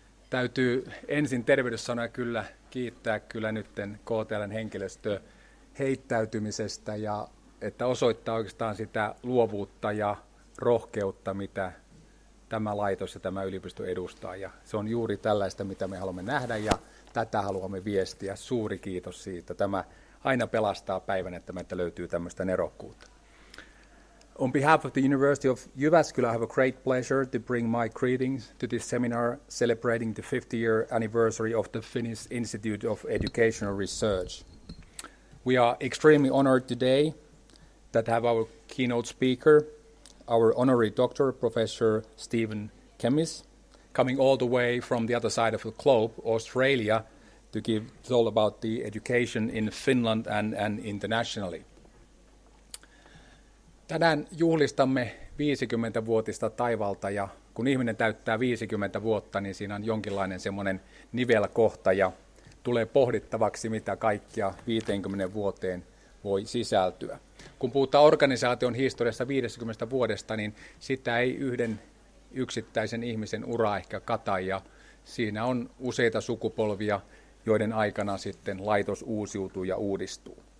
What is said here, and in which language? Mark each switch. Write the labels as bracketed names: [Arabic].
[Finnish] Täytyy ensin tervehdyssanoja kyllä kiittää kyllä nytten KTL:n henkilöstöä heittäytymisestä ja että osoittaa oikeastaan sitä luovuutta ja rohkeutta, mitä tämä laitos ja tämä yliopisto edustaa. Ja se on juuri tällaista, mitä me haluamme nähdä ja tätä haluamme viestiä. Suuri kiitos siitä. Tämä aina pelastaa päivän, että meiltä löytyy tämmöistä nerokkuutta. [English] On behalf of the University of Jyväskylä, I have a great pleasure to bring my greetings to this seminar celebrating the 50-year anniversary of the Finnish Institute of Educational Research. We are extremely honored today that have our keynote speaker, our honorary doctor, Professor Stephen Chemis, coming all the way from the other side of the globe, Australia, to give it all about the education in Finland and internationally. [Finnish] Tänään juhlistamme 50-vuotista taivalta, ja kun ihminen täyttää 50 vuotta, niin siinä on jonkinlainen semmoinen nivelkohta, ja tulee pohdittavaksi, mitä kaikkia 50 vuoteen voi sisältyä. Kun puhutaan organisaation historiasta 50 vuodesta, niin sitä ei yhden yksittäisen ihmisen ura ehkä kata, ja siinä on useita sukupolvia, joiden aikana sitten laitos uusiutuu ja uudistuu.